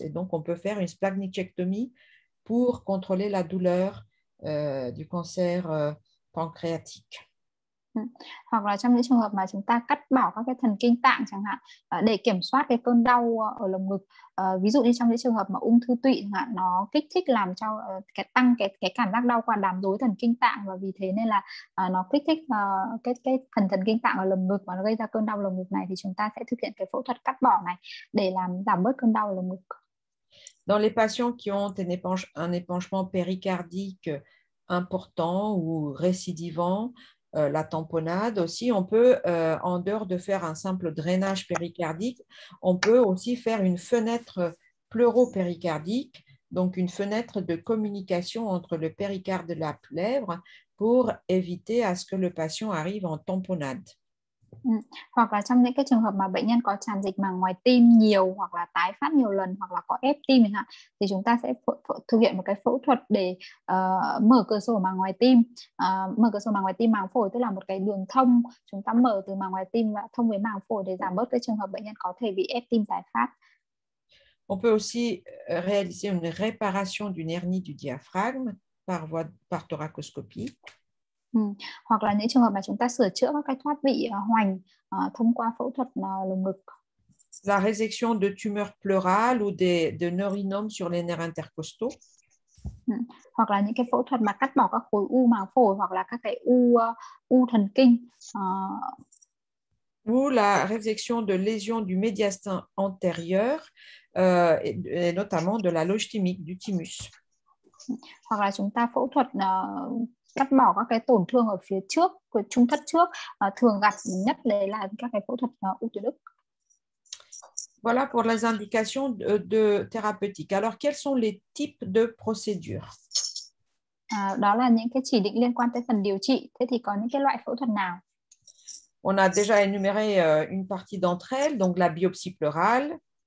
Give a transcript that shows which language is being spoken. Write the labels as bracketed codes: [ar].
[fr] Et donc on peut faire une splanchnicectomie pour contrôler la douleur du cancer pancréatique. [vi] Hoặc là trong những trường hợp mà chúng ta cắt bỏ các cái thần kinh tạng chẳng hạn, để kiểm soát cái cơn đau ở lồng ngực, ví dụ như trong những trường hợp mà ung thư tụy chẳng hạn, nó kích thích làm cho cái tăng cái cảm giác đau qua đám rối thần kinh tạng, và vì thế nên là nó kích thích cái phần thần kinh tạng ở lồng ngực mà nó gây ra cơn đau lồng ngực này, thì chúng ta sẽ thực hiện cái phẫu thuật cắt bỏ này để làm giảm bớt cơn đau ở lồng ngực. [fr] Dans les patients qui ont un épanchement péricardique important ou récidivant, la tamponade aussi, on peut, en dehors de faire un simple drainage péricardique, on peut aussi faire une fenêtre pleuropéricardique, donc une fenêtre de communication entre le péricarde et la plèvre pour éviter à ce que le patient arrive en tamponade. [vi] Hoặc là trong những cái trường hợp mà bệnh nhân có tràn dịch màng ngoài tim nhiều, hoặc là tái phát nhiều lần, hoặc là có ép tim chẳng hạn, thì chúng ta sẽ thực hiện một cái phẫu thuật để mở cửa sổ màng ngoài tim, mở cửa sổ màng ngoài tim màng phổi, tức là một cái đường thông chúng ta mở từ màng ngoài tim và thông với màng phổi để giảm bớt cái trường hợp bệnh nhân có thể bị ép tim tái phát. [fr] On peut aussi réaliser une réparation d'une hernie du diaphragme par thoracoscopie. [vi] Hoặc là những trường hợp mà chúng ta sửa chữa các cái thoát vị hoành thông qua phẫu thuật lồng ngực. [fr] La résection de tumeurs pleurales ou de neurinomes sur les nerfs intercostaux. [vi] Hoặc là những cái phẫu thuật mà cắt bỏ các khối u màng phổi, hoặc là các cái u u thần kinh. [fr] Ou la résection de lésions du médiastin antérieur, et notamment de la loge thymique, du thymus. [vi] Hoặc là chúng ta phẫu thuật cắt bỏ các cái tổn thương ở phía trước của trung thất trước, thường gặp nhất đấy là các cái phẫu thuật ung thư đức. [fr] Voilà pour les indications de thérapeutique. Alors, quels sont les types de procédures? [vi] Đó là những cái chỉ định liên quan tới phần điều trị. Thế thì có những cái loại phẫu thuật nào? [fr] On a déjà énuméré une partie d'entre elles, donc la biopsie pleurale,